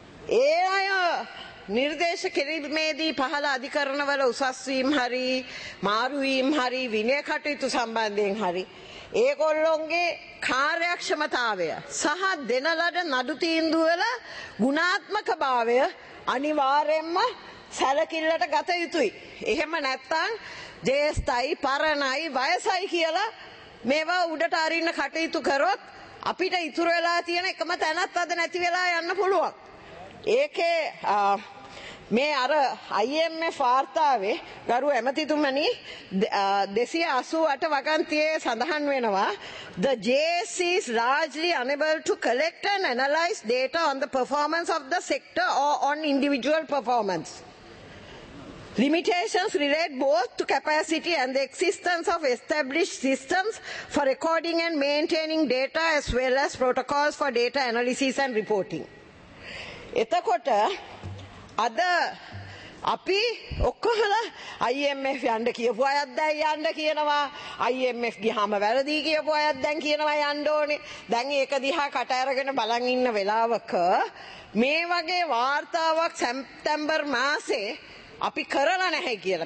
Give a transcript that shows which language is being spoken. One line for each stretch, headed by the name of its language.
Sinhala: ඒ අය නිර්දේශ කිරීමේදී පහළ අධිකරණවල උසස් වීම හරි මාරු වීම හරි විනය කටයුතු සම්බන්ධයෙන් හරි ඒගොල්ලොන්ගේ කාර්යක්ෂමතාවය සහ දෙන ලද නඩු තීන්දුවල ගුණාත්මකභාවය අනිවාර්යයෙන්ම සැලකිල්ලට ගත යුතුයි. එහෙම නැත්නම් ජේෂ්ඨයි පරණයි වයසයි කියලා මේවා උඩට අරින්න කටයුතු කරොත් අපිට ඉතුරු වෙලා තියෙන එකම තැනත් අද නැති වෙලා යන්න පුළුවන්. ඒකේ මේ අර IMF වාර්තාවේ ගරු ඇමතිතුමනි 288 වගන්තියේ සඳහන් වෙනවා
English: the JSC is largely unable to collect and analyze data on the performance of the sector or on individual performance. Limitations relate both to capacity and the existence of established systems for recording and maintaining data as well as protocols for data analysis and reporting.
Sinhala: එතකොට අද අපි ඔක්කොහලා IMF යන්න කියපු අයත් දැන් යන්න කියනවා, IMF ගිහම වැරදි කියපු අයත් දැන් කියනවා යන්න ඕනේ. දැන් ඒක දිහා කට අරගෙන බලන් ඉන්න වෙලාවක මේ වගේ වார்த்தාවක් සැප්තැම්බර් මාසේ අපි කරලා නැහැ කියලා.